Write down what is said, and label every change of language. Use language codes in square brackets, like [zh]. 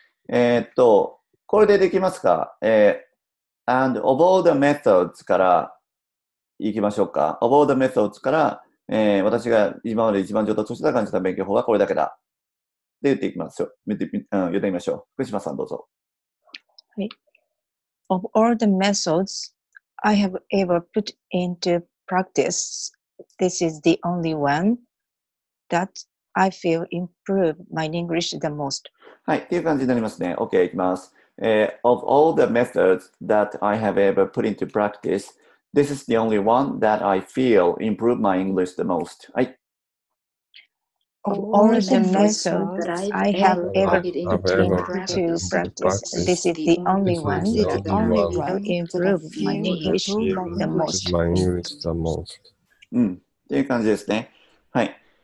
[ja] これでできますか？ [en] and of all the methods [ja] から、いきましょうか。 [en] of all the methods [ja] から、私が今まで一番上達した感じた勉強法はこれだけだ。で、言っていきましょう。言ってみましょう。福島さん、どうぞ。はい。 [en] of all the methods I have ever put into practice, this is the only one that I feel improved my English the most. [ja] はい、という感じになりますね。 OK、いきます。 [en] Of all the methods that I have ever put into practice, this is the only one that I feel improved my English the most. [ja] はい。 [en] Of all the methods I have ever put into practice, this is the only one that only improved my English the most. [ja] うん、という感じですね。はい。